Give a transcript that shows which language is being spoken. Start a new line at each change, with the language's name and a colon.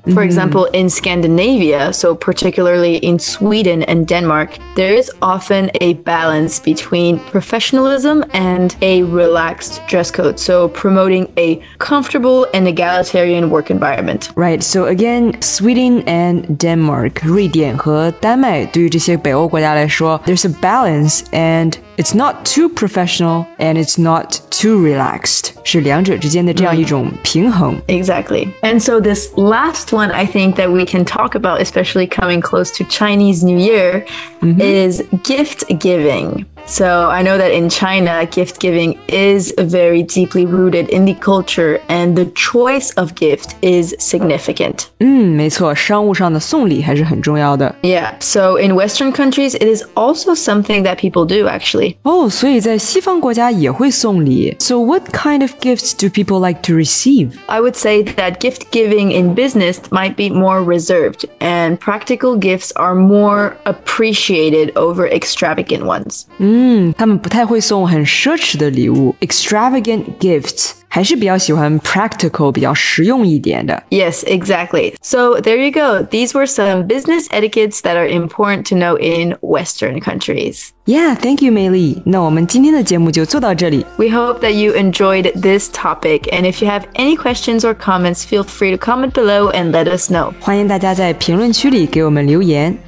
English: For example, in Scandinavia, so particularly in Sweden and Denmark, there is often a balance between professionalism and a relaxed dress code, so promoting a comfortable and egalitarian work environment. Right, so again, Sweden and Denmark,
Chinese: 瑞典和丹麦，对于这些北欧国家来说,
English: there's a balance and It's not too professional and it's not too relaxed.
Chinese: 是两者之间的这样一种平衡。
English: Exactly. And so this last one I think that we can talk about, especially coming close to Chinese New Year,、mm-hmm. is gift giving. So I know that in China, gift giving is very deeply rooted in the culture and the choice of gift is significant.
Chinese: 没错，商务上的送礼还是很重要的。
English: Yeah, so in Western countries, it is also something that people do actually.
Chinese: Oh, 所以在西方国家也会送礼。
English: So what kind of gifts do people like to receive? I would say that gift giving in business might be more reserved and practical gifts are more appreciated over extravagant ones.
Chinese: 他们不太会送很奢侈的礼物
English: extravagant gifts
Chinese: 还是比较喜欢 practical, 比较实用一点的。
English: Yes, exactly. So there you go. These were some business etiquettes that are important to know in Western countries. Yeah, thank you, Mei Li.
Chinese: 那我们今天的节目就做到这里。
English: We hope that you enjoyed this topic. And if you have any questions or comments, feel free to comment below and let us know.
Chinese: 欢迎大家在评论区里给我们留言。